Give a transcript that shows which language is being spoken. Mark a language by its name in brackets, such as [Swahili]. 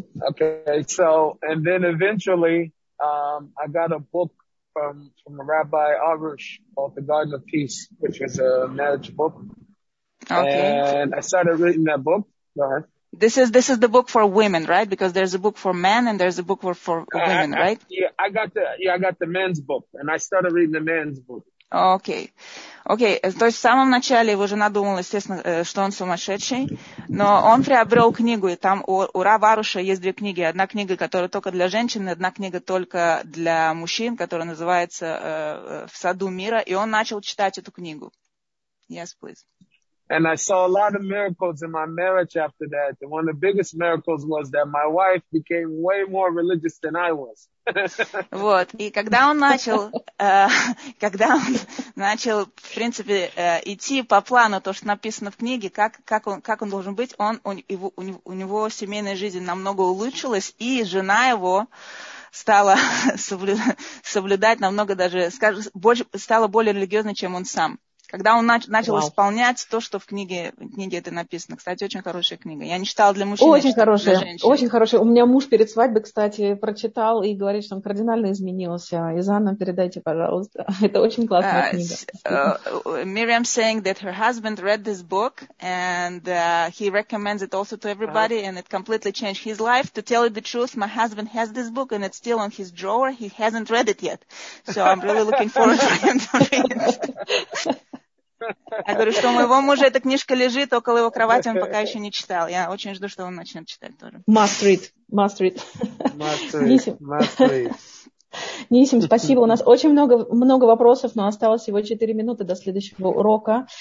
[English] Okay, so, and then eventually, I got a book from Rabbi Arush called The Garden of Peace, which is a marriage book. Okay. And I started reading that book. Go ahead. This is the book for women, right? Because there's a book for men and there's a book for women, right? I got the men's book and I started reading the men's book. [Russian] Окей. То есть в самом начале его жена думала, естественно, что он сумасшедший, но он приобрел книгу, и там у Рава Аруша есть две книги. Одна книга, которая только для женщин, и одна книга только для мужчин, которая называется «В саду мира», и он начал читать эту книгу. [English] Yes, please. And I saw a lot of miracles in my marriage after that. And one of the biggest miracles was that my wife became way more religious than I was. [Russian] Вот. И когда он начал, в принципе, идти по плану, то, что написано в книге, как он должен быть, у него семейная жизнь намного улучшилась, и жена его стала соблюдать намного даже, скажем, больше, стала более религиозной, чем он сам. Когда он начал исполнять то, что в книге это написано. Кстати, очень хорошая книга. Я не читала для мужчин, очень хорошая, для женщин. Очень хорошая. У меня муж перед свадьбой, кстати, прочитал и говорит, что он кардинально изменился. Изанна, передайте, пожалуйста. Это очень классная книга. [English] Miriam saying that her husband read this book and he recommends it also to everybody and it completely changed his life. To tell you the truth, my husband has this book and it's still on his drawer. He hasn't read it yet. So I'm really looking forward to him to read it. [Russian] Я говорю, что у моего мужа эта книжка лежит около его кровати, он пока еще не читал. Я очень жду, что он начнет читать тоже. [English] Must read. Must read. [Russian] Нисим, спасибо. У нас очень много вопросов, но осталось всего 4 минуты до следующего урока.